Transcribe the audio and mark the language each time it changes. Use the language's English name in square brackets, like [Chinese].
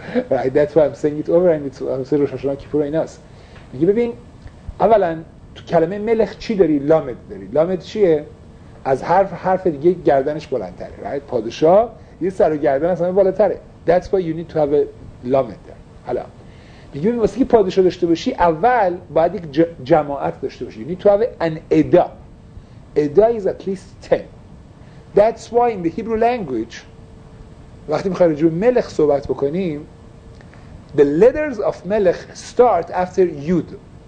[English] Right, that's why I'm saying it over and it's I'm saying Rosh Hashanah Kippur in us. [Persian] میگه ببین اولا تو کلمه ملخ چی داری؟ لامد داری. لامد چیه؟ از حرف دیگه گردنش بلندتره، right؟ پادشاه یه سر و گردن از همه بالاتره. [English] That's why you need to have a lamed there. [Persian] حالا میگه ببین واسه که پادشاه داشته باشی اول باید یک جماعت داشته باشی. [English] You need to have an eda. Eda is at least 10. That's why in the Hebrew language [Persian] وقتی میخوای راجع به ملخ صحبت بکنیم [English] the letters of ملخ start after یود.